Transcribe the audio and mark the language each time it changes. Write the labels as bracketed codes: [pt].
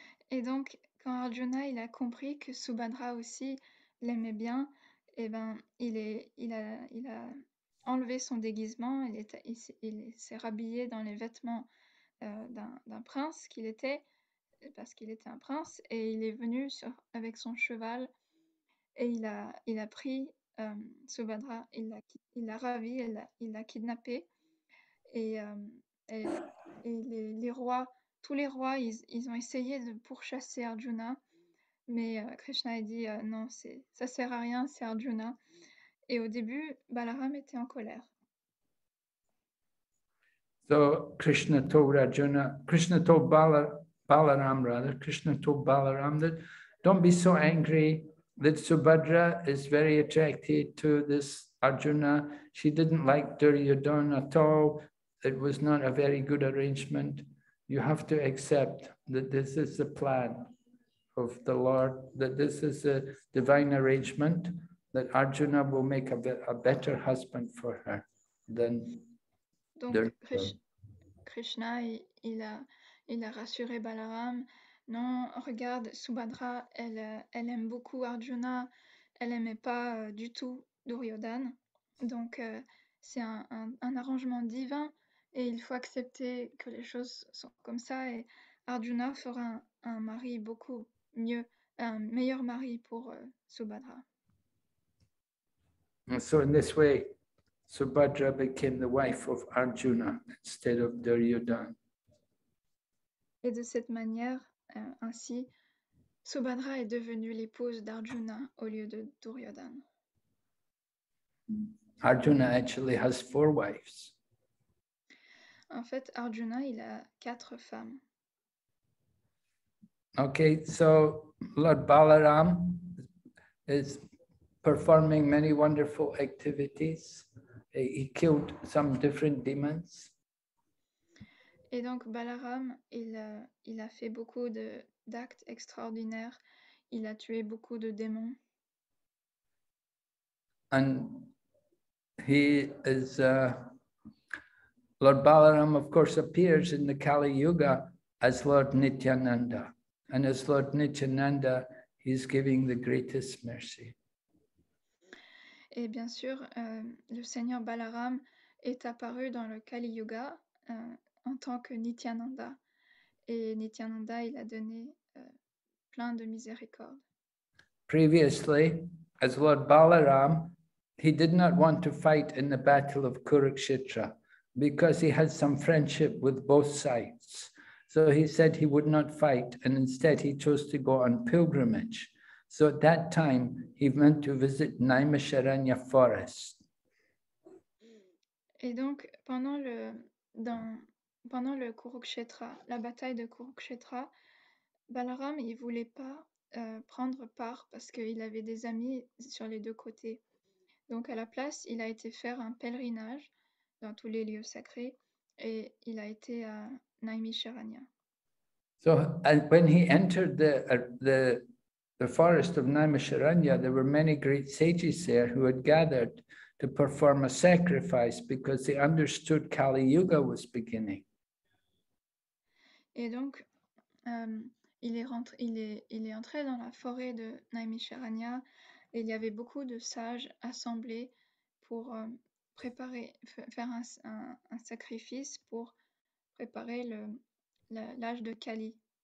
[fr] Et donc, quand Arjuna, il a compris que Subhadra aussi l'aimait bien, eh ben, il a enlevé son déguisement, il s'est rhabillé dans les vêtements d'un prince qu'il était, parce qu'il était un prince, et il est venu avec son cheval et il a pris Subhadra, il l'a ravi, il l'a kidnappé, et tous les rois ils ont essayé de pourchasser Arjuna, mais Krishna a dit non, ça sert à rien, c'est Arjuna. Et au début Balaram était en colère. [en] So Krishna told Arjuna, Krishna told Balaram rather, Krishna told Balaram that don't be so angry, that Subhadra is very attracted to this Arjuna. She didn't like Duryodhana at all. It was not a very good arrangement. You have to accept that this is the plan of the Lord, that this is a divine arrangement, that Arjuna will make a better husband for her than... [fr] Donc Krishna, il a rassuré Balaram. Non, regarde, Subhadra, elle aime beaucoup Arjuna. Elle aimait pas du tout Duryodhana. Donc c'est un arrangement divin et il faut accepter que les choses sont comme ça. Et Arjuna fera un mari beaucoup mieux, un meilleur mari pour Subhadra. [en] So in this way, Subhadra became the wife of Arjuna instead of Duryodhana. [fr] Et de cette manière, ainsi, Subhadra est devenue l'épouse d'Arjuna au lieu de Duryodhana. [en] Arjuna actually has four wives. [fr] En fait, Arjuna, il a quatre femmes. [en] Okay, so Lord Balaram is performing many wonderful activities. He killed some different demons. [fr] Et donc Balaram, il a fait beaucoup d'actes extraordinaires. Il a tué beaucoup de démons. [en] And he is Lord Balaram, of course, appears in the Kali Yuga as Lord Nityananda. And as Lord Nityananda, he's giving the greatest mercy. [fr] Et bien sûr, le Seigneur Balaram est apparu dans le Kali Yuga en tant que Nityananda. Et Nityananda, il a donné plein de miséricorde. [en] Previously, as Lord Balaram, he did not want to fight in the battle of Kurukshetra because he had some friendship with both sides. So he said he would not fight, and instead he chose to go on pilgrimage. So at that time, he went to visit Naimisharanya forest. [fr] Et donc, pendant le, dans, pendant le Kurukshetra, la bataille de Kurukshetra, Balaram il voulait pas prendre part parce qu'il avait des amis sur les deux côtés. Donc à la place, il a été faire un pèlerinage dans tous les lieux sacrés et il a été à Naimisharanya. [en] So when he entered the forest of Naimisharanya, there were many great sages there who had gathered to perform a sacrifice because they understood Kali Yuga was beginning. [fr] Et donc, il est entré dans la forêt de Naimisharanya et il y avait beaucoup de sages assemblés pour faire un sacrifice pour préparer l'âge de Kali.